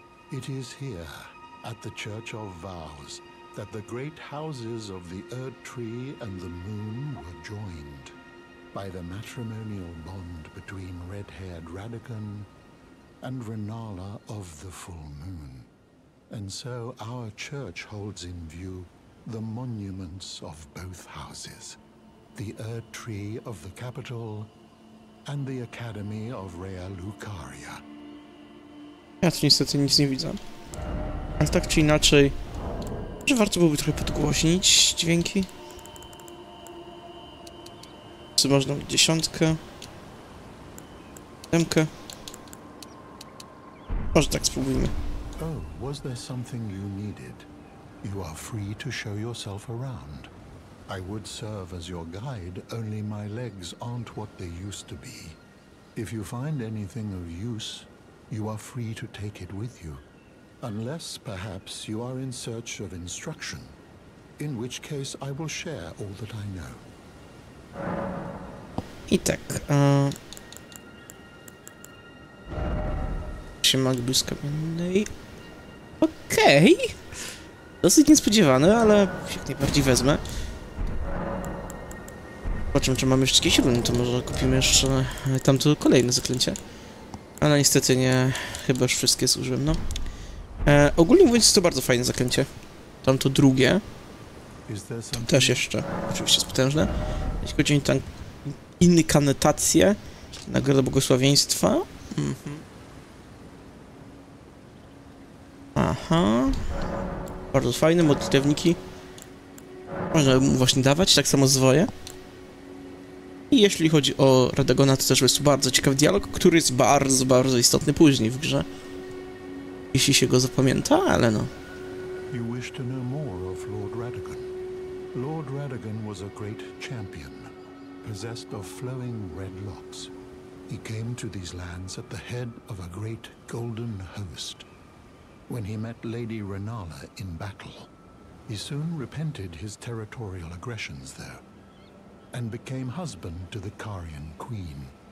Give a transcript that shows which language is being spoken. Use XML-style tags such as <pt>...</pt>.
<en>It is here, at the Church of Vows, that the great houses of the Earth Tree and the Moon were joined by the matrimonial bond between red-haired Radagon and Renala of the Full Moon. And so our church holds in view the monuments of both houses, the Earth Tree of the capital and the Academy of Rhea Lucaria.</en> <pl>Ja tu niestety nic nie widzę. Ale tak czy inaczej, może warto byłoby trochę podgłośnić dźwięki? Czy można dziesiątkę? Siódemkę? Może tak spróbujmy.</pl> <en>Oh, was there something you needed? You are free to show yourself around. I would serve as your guide, only my legs aren't what they used to be. If you find anything of use, you are free to take it with you, unless perhaps you are in search of instruction, in which case I will share all that I know.</en> <pl>I tak, się magii błyskawiennej. Okej! Dosyć niespodziewane, ale jak najbardziej wezmę. Zobaczmy, czy mamy jeszcze jakieś runy, to może kupimy jeszcze tamto kolejne zaklęcie. Ale niestety nie, chyba już wszystkie zużyłem, no. Ogólnie mówiąc, to bardzo fajne zaklęcie. Tamto drugie. Tam też jeszcze, oczywiście jest potężne. Jeśli chodzi o inne kanotacje, nagroda błogosławieństwa. Aha. Bardzo fajne, modlitewniki. Można mu właśnie dawać, tak samo zwoje. I jeśli chodzi o Radagona, to też jest bardzo ciekawy dialog, który jest bardzo, bardzo istotny później w grze. Jeśli się go zapamięta, ale no.</pl> <en>You wish to know more of Lord Radagon. Lord Radagon was a great champion, possessed of flowing red locks. He came to these lands at the head of a great golden host. When he met Lady Renala in battle, he soon repented his territorial aggressions there and became husband to the Carian queen.</en>